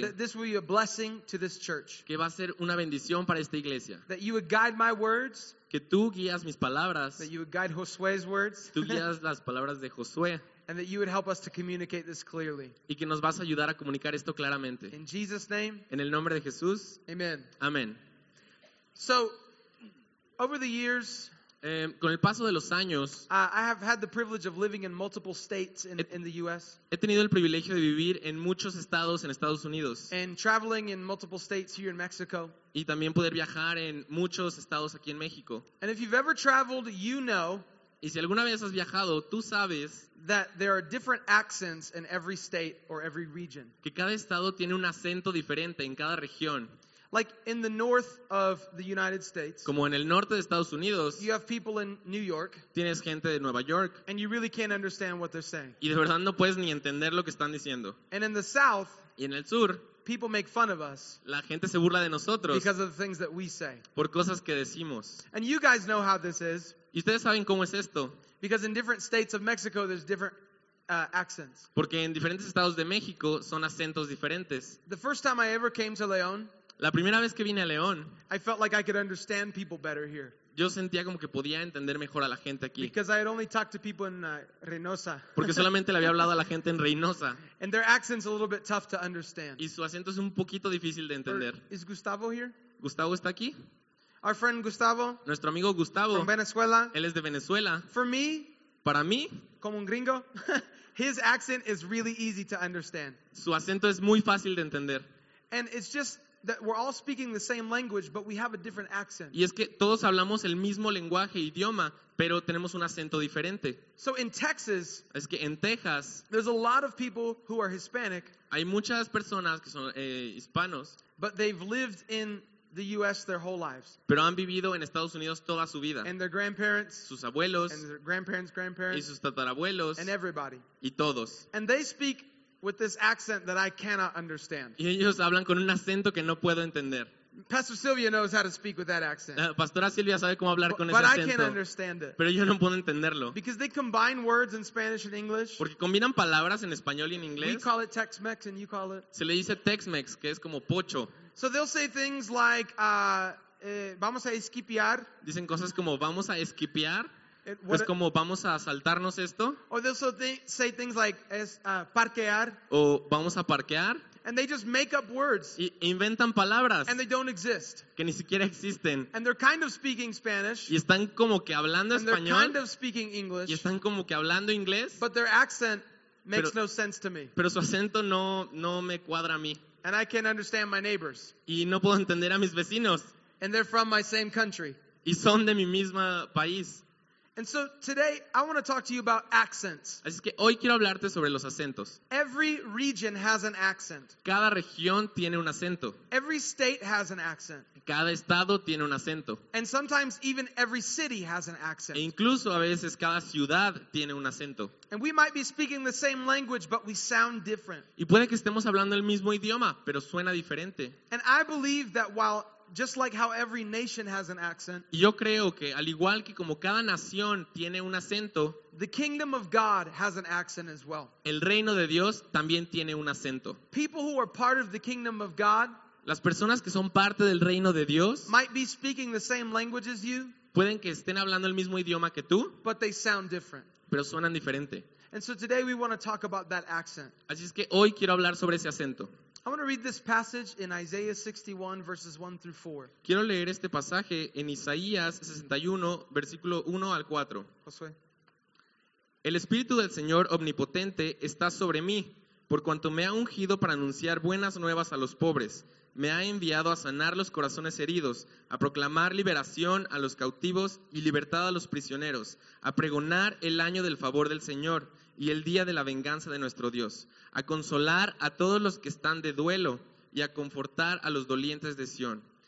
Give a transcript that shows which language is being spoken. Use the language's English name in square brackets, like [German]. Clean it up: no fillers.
[English] that this would be a blessing to this church, [Spanish] que va a ser una bendición para esta iglesia, [English] that you would guide my words, [Spanish] que tú guías mis palabras, [English] that you would guide Josué's words, [Spanish] tú guías las palabras de Josué, [English] and that you would help us to communicate this clearly, [Spanish] y que nos vas a ayudar a comunicar esto claramente. [English] In Jesus' name, [Spanish] en el nombre de Jesús, [English] amen. [Spanish] Amen. [English] So, over the years, [Spanish] con el paso de los años, [English] I have had the privilege of living in multiple states in the U.S. [Spanish] He tenido el privilegio de vivir en muchos estados en Estados Unidos. [English] And traveling in multiple states here in Mexico. [Spanish] Y también poder viajar en muchos estados aquí en México. [English] And if you've ever traveled, you know. [Spanish] Y si alguna vez has viajado, tú sabes [English] that there are different accents in every state or every region. [Spanish] Que cada estado tiene un acento diferente en cada región. [English] Like in the north of the United States, [Spanish] como en el norte de Estados Unidos, [English] you have people in New York, [Spanish] tienes gente de Nueva York, [English] and you really can't understand what they're saying. [Spanish] Y de verdad no puedes ni entender lo que están diciendo. [English] And in the south, [Spanish] y en el sur, [English] people make fun of us, [Spanish] la gente se burla de nosotros, [English] because of the things that we say, [Spanish] por cosas que decimos. [English] And you guys know how this is, [Spanish] y ustedes saben cómo es esto, [English] because in different states of Mexico, there's different accents. [Spanish] Porque en diferentes estados de México son acentos diferentes. [English] The first time I ever came to León, [Spanish] la primera vez que vine a León, [English] I felt like I could understand people better here. [Spanish] Yo sentía como que podía entender mejor a la gente aquí. [English] Because I had only talked to people in Reynosa. [Spanish] Porque solamente le había hablado a la gente en Reynosa. [English] And their accent's a little bit tough to understand. [Spanish] Y su acento es un poquito difícil de entender. [English] Is Gustavo here? [Spanish] ¿Gustavo está aquí? [English] Our friend Gustavo. [Spanish] Nuestro amigo Gustavo. [English] From Venezuela. [Spanish] Él es de Venezuela. [English] For me. [Spanish] Para mí. Como un gringo. [English] His accent is really easy to understand. [Spanish] Su acento es muy fácil de entender. [English] And it's just that we're all speaking the same language, but we have a different accent. [Spanish] Y es que todos hablamos el mismo lenguaje e idioma, pero tenemos un acento diferente. [English] So in Texas, [Spanish] es que en Texas, [English] there's a lot of people who are Hispanic. [Spanish] Hay muchas personas que son hispanos. [English] But they've lived in the U.S. their whole lives. [Spanish] Pero han vivido en Estados Unidos toda su vida. [English] And their grandparents, [Spanish] sus abuelos, [English] and their grandparents' grandparents, [Spanish] y sus tatarabuelos, [English] and everybody, [Spanish] y todos. [English] And they speak with this accent that I cannot understand. [Spanish] Y ellos hablan con un acento que no puedo entender. [English] Pastor Silvia knows how to speak with that accent. [Spanish] Pastora Silvia sabe cómo hablar con ese acento. [English] But I can't understand it. [Spanish] Pero yo no puedo entenderlo. [English] Because they combine words in Spanish and English. [Spanish] Porque combinan palabras en español y en inglés. [English] We call it Tex-Mex and you call it. [Spanish] Se le dice Tex-Mex, que es como pocho. [English] So they'll say things like [Spanish] vamos a esquipear. Dicen cosas como vamos a esquipear. Es como vamos a saltarnos esto. [English] Or they'll say things like parquear. [Spanish] O vamos a parquear. [English] And they just make up words. [Spanish] Y inventan palabras. [English] And they don't exist. [Spanish] Que ni siquiera existen. [English] And they're kind of speaking Spanish. [Spanish] Y están como que hablando [English] and [Spanish] español. [English] They're kind of speaking English. [Spanish] Y están como que hablando inglés. [English] But their accent makes no sense to me. [Spanish] Pero su acento no me cuadra a mí. [English] And I can't understand my neighbors. [Spanish] Y no puedo entender a mis vecinos. [English] And they're from my same country. [Spanish] Y son de mi misma país. [English] And so today I want to talk to you about accents. [Spanish] Así que hoy quiero hablarte sobre los acentos. [English] Every region has an accent. [Spanish] Cada región tiene un acento. [English] Every state has an accent. [Spanish] Cada estado tiene un acento. [English] And sometimes even every city has an accent. [Spanish] E incluso a veces cada ciudad tiene un acento. [English] And we might be speaking the same language, but we sound different. [Spanish] Y puede que estemos hablando el mismo idioma, pero suena diferente. [English] And I believe that while just like how every nation has an accent. [Spanish] Yo creo que al igual que como cada nación tiene un acento, [English] the kingdom of God has an accent as well. [Spanish] El reino de Dios también tiene un acento. [English] People who are part of the kingdom of God, [Spanish] las personas que son parte del reino de Dios, [English] might be speaking the same language as you, [Spanish] pueden que estén hablando el mismo idioma que tú, [English] but they sound different. [Spanish] Pero suenan diferente. [English] And so today we want to talk about that accent. [Spanish] Así es que hoy quiero hablar sobre ese acento. [English] I want to read this passage in Isaiah 61, verses 1 through 4. [Spanish] Quiero leer este pasaje en Isaías 61, versículo 1 al 4. [English] Josué. [Spanish] El Espíritu del Señor Omnipotente está sobre mí, por cuanto me ha ungido para anunciar buenas nuevas a los pobres. Me ha enviado a sanar los corazones heridos, a proclamar liberación a los cautivos y libertad a los prisioneros, a pregonar el año del favor del Señor y el día de la venganza de nuestro Dios, a consolar a todos los que están de duelo y a confortar a los dolientes de Sión.